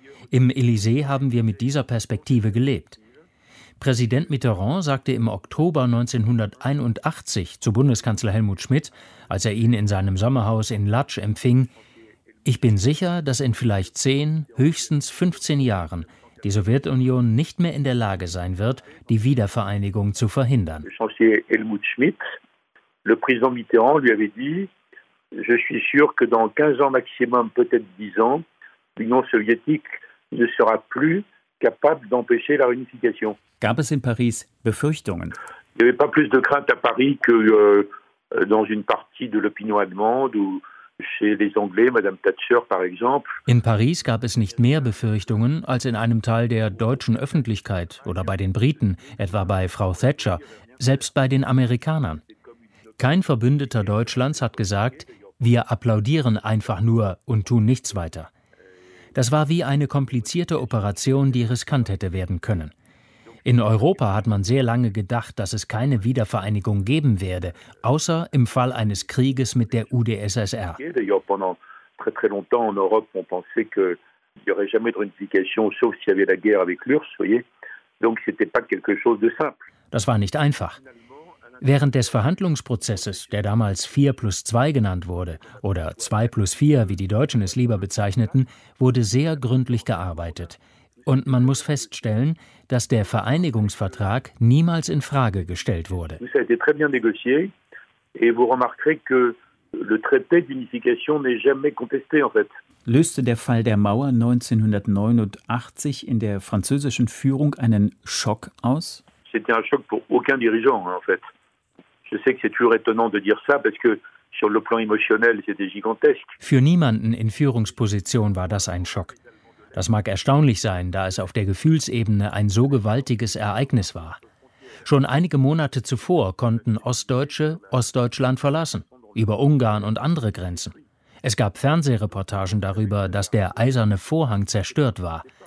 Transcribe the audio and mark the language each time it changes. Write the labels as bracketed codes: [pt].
[de] Im Élysée haben wir mit dieser Perspektive gelebt. Präsident Mitterrand sagte im Oktober 1981 zu Bundeskanzler Helmut Schmidt, als er ihn in seinem Sommerhaus in Latsch empfing: Ich bin sicher, dass in vielleicht 10, höchstens 15 Jahren die Sowjetunion nicht mehr in der Lage sein wird, die Wiedervereinigung zu verhindern. [fr] Chancelier Helmut Schmidt, le président Mitterrand lui avait dit: Je suis sûr que dans 15 ans maximum, peut-être 10 ans, l'Union soviétique ne sera plus capable d'empêcher la réunification. [de] Gab es in Paris Befürchtungen? [fr] Il n'y avait pas plus de crainte à Paris que dans une partie de l'opinion allemande ou chez les Anglais, Madame Thatcher par exemple. [de] In Paris gab es nicht mehr Befürchtungen als in einem Teil der deutschen Öffentlichkeit oder bei den Briten, etwa bei Frau Thatcher, selbst bei den Amerikanern. Kein Verbündeter Deutschlands hat gesagt, wir applaudieren einfach nur und tun nichts weiter. Das war wie eine komplizierte Operation, die riskant hätte werden können. In Europa hat man sehr lange gedacht, dass es keine Wiedervereinigung geben werde, außer im Fall eines Krieges mit der UdSSR. [fr] Pendant très très longtemps en Europe, on pensait que il y aurait jamais de réunification sauf s'il y avait la guerre avec l'URSS, voyez. Donc c'était pas quelque chose de simple. [de] Das war nicht einfach. Während des Verhandlungsprozesses, der damals 4+2 genannt wurde, oder 2+4, wie die Deutschen es lieber bezeichneten, wurde sehr gründlich gearbeitet. Und man muss feststellen, dass der Vereinigungsvertrag niemals in Frage gestellt wurde. [fr] Ça a été très bien négocié, et vous remarquerez que le traité d'unification n'est jamais contesté en fait. [de] Löste der Fall der Mauer 1989 in der französischen Führung einen Schock aus? [fr] C'était un choc pour aucun dirigeant en fait. Je sais que c'est toujours étonnant de dire ça parce que sur le plan émotionnel, c'était gigantesque. [de] Für niemanden in Führungsposition war das ein Schock. Das mag erstaunlich sein, da es auf der Gefühlsebene ein so gewaltiges Ereignis war. Schon einige Monate zuvor konnten Ostdeutsche Ostdeutschland verlassen, über Ungarn und andere Grenzen. Es gab Fernsehreportagen darüber, dass der eiserne Vorhang zerstört war.